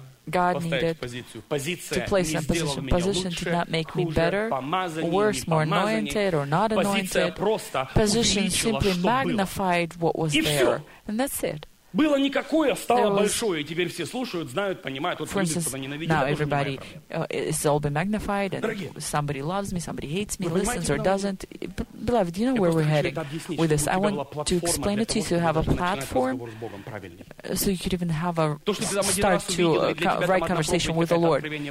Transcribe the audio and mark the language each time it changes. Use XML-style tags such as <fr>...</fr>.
<en>God needed to place in a position. Position did not make me better, worse, more anointed, or not anointed. Position simply magnified what was there. And that's it.</en> <ru>Было никакое, стало большое, и теперь все слушают, знают, понимают. Вот</ru> <en>for instance, now everybody, it's all been magnified, and somebody loves me, somebody hates me, listens or doesn't. Beloved, you know where we're heading with this. I want to explain it to you so you have a platform, so you could even have a start to right conversation with the Lord.</en>